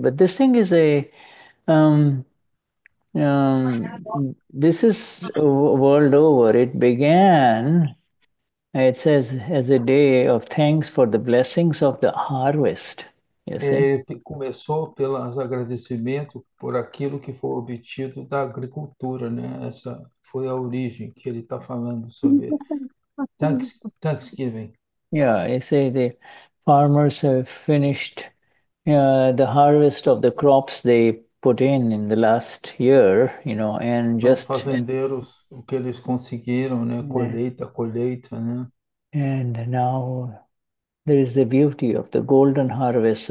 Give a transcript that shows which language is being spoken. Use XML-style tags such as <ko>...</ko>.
<en>But this thing is a this is world over. It began, it says, as a day of thanks for the blessings of the harvest. You see?</en> <pt>É, começou pelos agradecimentos por aquilo que foi obtido da agricultura, né? Essa foi a origem que ele está falando sobre Thanksgiving.</pt> <en>Yeah, you see, the farmers have finished the harvest of the crops they put in the last year, and</en> <pt>Os</pt> <en>just</en> <pt>fazendeiros, o que eles conseguiram, né? Colheita, colheita, né?</pt> <en>and now there is the beauty of the golden harvest.</en>